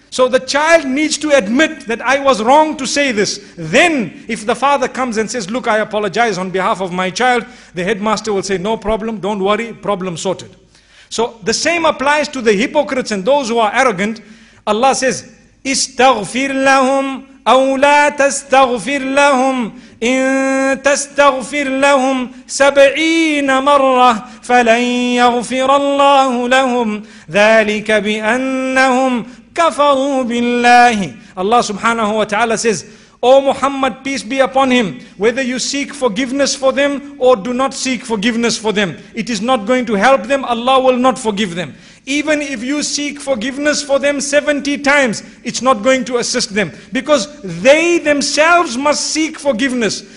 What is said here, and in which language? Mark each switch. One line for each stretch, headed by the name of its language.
English: So the child needs to admit that I was wrong to say this. Then if the father comes and says, look, I apologize on behalf of my child, the headmaster will say, no problem, don't worry, problem sorted. So the same applies to the hypocrites and those who are arrogant. Allah says,
Arabic: istaghfir lahum, أو لا تستغفر لهم إن تستغفر لهم 70 مرة فلن يغفر الله لهم ذلك بأنهم كفروا بالله.
English: Allah subhanahu wa ta'ala says, O Muhammad, peace be upon him, whether you seek forgiveness for them or do not seek forgiveness for them, it is not going to help them. Allah will not forgive them. Even if you seek forgiveness for them 70 times, it's not going to assist them, because they themselves must seek forgiveness.